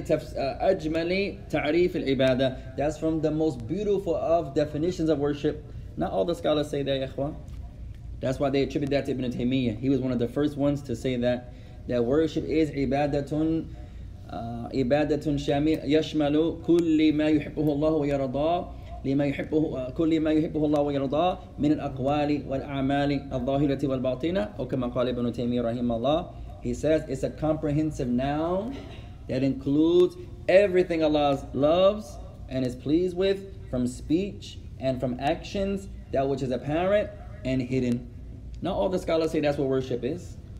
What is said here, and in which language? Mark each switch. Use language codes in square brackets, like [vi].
[ar] أي هذا من أجمل تعريف العبادة. [en] That's from the most beautiful of definitions of worship. Not all the scholars say that, Yahwa. That's why they attribute that to Ibn Taymiyyah. He was one of the first ones to say that. That worship is [ar] عبادةٌ عبادةٌ شامل يشملُ كل ما يحبه الله ويرضى لما يحبه كل ما يحبه الله ويرضاه من الأقوال والأعمال الظاهرة والباطنة أو كما قال ابن تيمية رحمه الله. [en] He says it's a comprehensive noun that includes everything Allah loves and is pleased with, from speech and from actions, that which is apparent and hidden. Not all the scholars say that's what worship is.